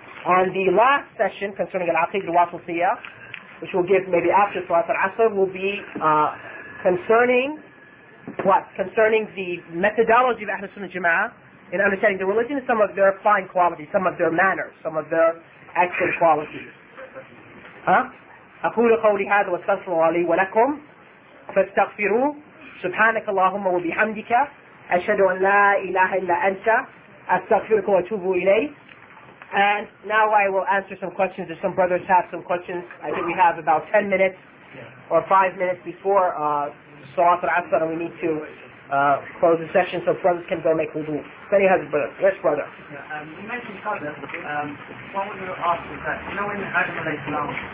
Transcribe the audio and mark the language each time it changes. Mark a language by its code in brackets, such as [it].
[en] On the last session concerning al-Aqid al-Wasifiyah, which we'll give maybe after Salat al-Asr, will be concerning the methodology of Ahl al-Sunnah Jama'ah in understanding the religion and some of their fine qualities, some of their manners, some of their excellent qualities. [ar] أقول قولي هذا واستغفر لي ولكم فاستغفروا سبحانك اللهم وبحمدك أشهد أن لا إله إلا أنت أستغفرك وأتوب إليك. [en] And now I will answer some questions. If some brothers have some questions, I think we have about 10 minutes or 5 minutes before Salat al-Asr, and we need to close the session so brothers can go make wudu. Many has a brother. Yes, brother. Yeah, you mentioned Qadr. What would you ask is that, you know, when Adam alayhi salam,